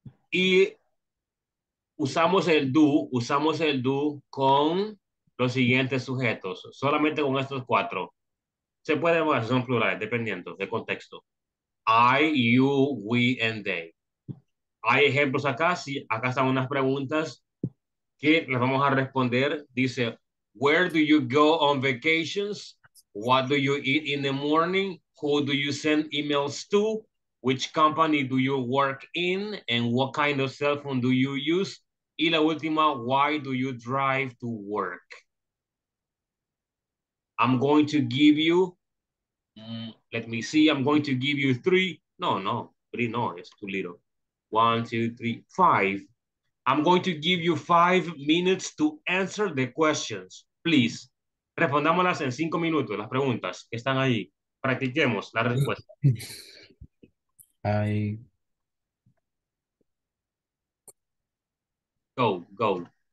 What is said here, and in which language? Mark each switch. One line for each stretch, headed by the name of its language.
Spanish: Y usamos el do con los siguientes sujetos, solamente con estos cuatro. Se puede hacer en plural, dependiendo del contexto.
English: I, you, we, and they.
Spanish: Hay ejemplos acá, sí, acá están unas preguntas que las vamos a responder.
English: Dice, where do you go on vacations? What do you eat in the morning? Who do you send emails to? which company do you work in and what kind of cell phone do you use?
Spanish: Y la última,
English: why do you drive to work? I'm going to give you, let me see, I'm going to give you three. No, no, three, no, it's too little. One, two, three, five. I'm going to give you 5 minutes to answer the questions, please.
Spanish: Respondámoslas en 5 minutos, las preguntas que están ahí. Practiquemos la respuesta.
English: I... Go, go.